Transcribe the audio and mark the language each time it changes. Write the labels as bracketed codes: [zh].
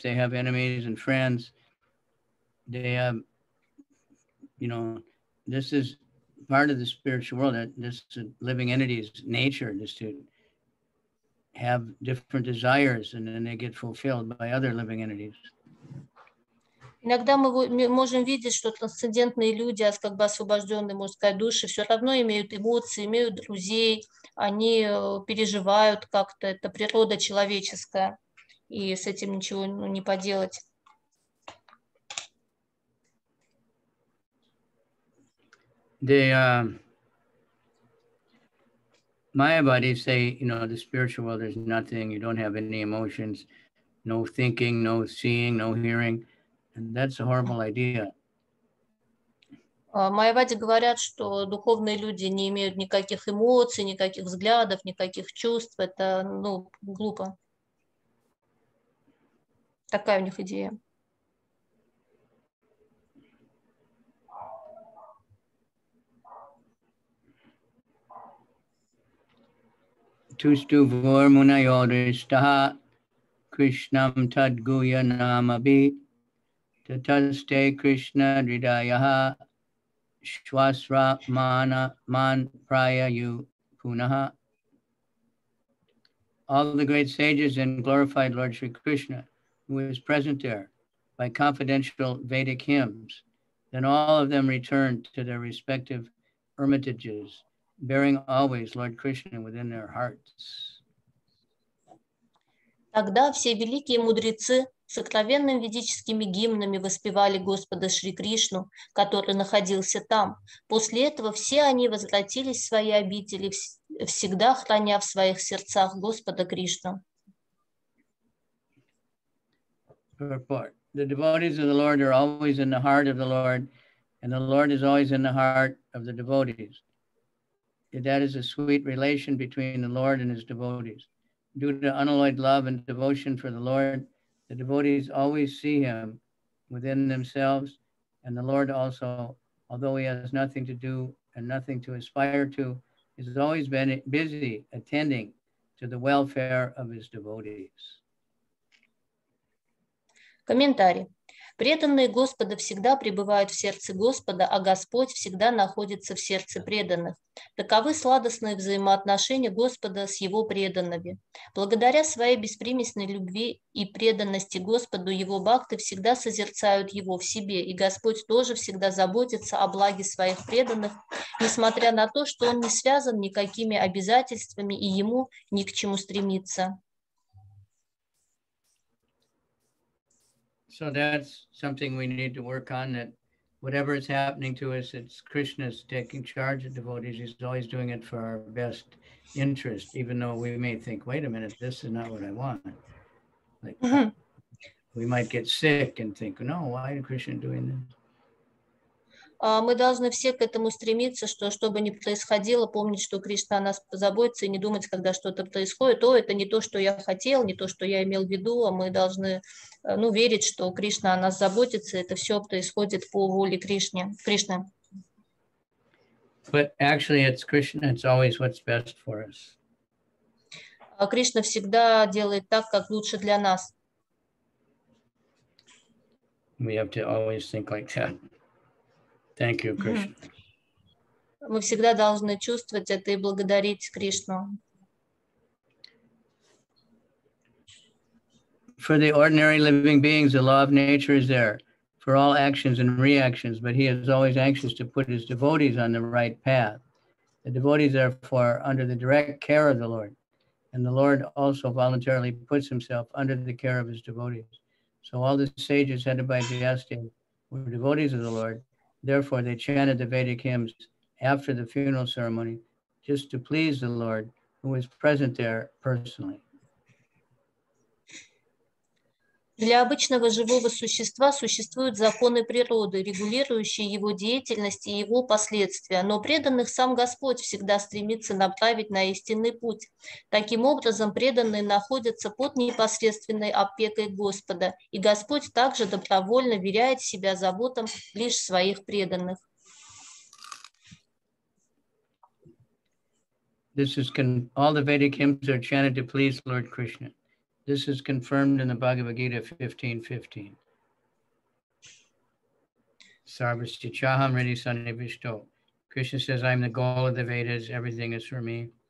[en] They have enemies and friends. They have, you know, this is part of the spiritual world. This living entity's nature is to have different desires, and then they get fulfilled by other living entities. [ru] Иногда мы можем видеть, что трансцендентные люди, как бы освобожденные, можно сказать, души, все равно имеют эмоции, имеют друзей, они переживают как-то, это природа человеческая, и с этим ничего не поделать. [en] The Maya bodies say, you know, the spiritual world, there's nothing, you don't have any emotions, no thinking, no seeing, no hearing. And that's a horrible idea. [ru] Майявади говорят, что духовные люди не имеют никаких эмоций, никаких взглядов, никаких чувств. Это, ну, глупо. Такая у них идея. [sa] Tustu vor munayore staha krishnam tad guya namabhi. Tataste Krishna Ridayaha Shwasra Mana Man Prayayu Punaha. [en] All the great sages and glorified Lord Sri Krishna, who is present there by confidential Vedic hymns, then all of them returned to their respective hermitages, bearing always Lord Krishna within their hearts. [ru] Тогда все великие мудрецы сокровенными ведическими гимнами воспевали Господа Шри Кришну, который находился там. После этого все они возвратились в свои обители, всегда храня в своих сердцах Господа Кришну. [en] Purport. The devotees of the Lord are always in the heart of the Lord, and the Lord is always in the heart of the devotees. That is a sweet relation between the Lord and his devotees. Due to unalloyed love and devotion for the Lord, the devotees always see him within themselves, and the Lord also, although he has nothing to do and nothing to aspire to, has always been busy attending to the welfare of his devotees. [ru] Комментарий. Преданные Господа всегда пребывают в сердце Господа, а Господь всегда находится в сердце преданных. Таковы сладостные взаимоотношения Господа с Его преданными. Благодаря своей беспримесной любви и преданности Господу, Его бхакты всегда созерцают Его в себе, и Господь тоже всегда заботится о благе своих преданных, несмотря на то, что Он не связан никакими обязательствами и Ему ни к чему стремиться. [en] So that's something we need to work on, that whatever is happening to us, it's Krishna's taking charge of devotees. He's always doing it for our best interest, even though we may think, wait a minute, this is not what I want. Like, we might get sick and think, no, why is Krishna doing this? [ru] Мы должны все к этому стремиться, что бы ни происходило, помнить, что Кришна о нас позаботится, и не думать, когда что-то происходит, о, это не то, что я хотел, не то, что я имел в виду, а мы должны, ну, верить, что Кришна о нас заботится, это все происходит по воле Кришны. Кришна. [en] But actually it's Krishna, it's always what's best for us. [ru] А Кришна всегда делает так, как лучше для нас. [en] We have to always think like that. Thank you, Krishna. [ru] Мы всегда должны чувствовать это и благодарить Кришну. [en] For the ordinary living beings, the law of nature is there for all actions and reactions, but he is always anxious to put his devotees on the right path. The devotees, therefore, are under the direct care of the Lord, and the Lord also voluntarily puts himself under the care of his devotees. So all the sages headed by Jayastin were devotees of the Lord, Therefore, they chanted the Vedic hymns after the funeral ceremony, just to please the Lord, who was present there personally. [ru] Для обычного живого существа существуют законы природы, регулирующие его деятельность и его последствия, но преданных сам Господь всегда стремится направить на истинный путь. Таким образом, преданные находятся под непосредственной опекой Господа, и Господь также добровольно вверяет себя заботам лишь своих преданных. [en] This is all the Vedic hymns are chanted to please Lord Krishna. This is confirmed in the Bhagavad Gita 15:15. [sa] Sarvasticham Rini Sannivishto. [en] Krishna says, I'm the goal of the Vedas, everything is for me.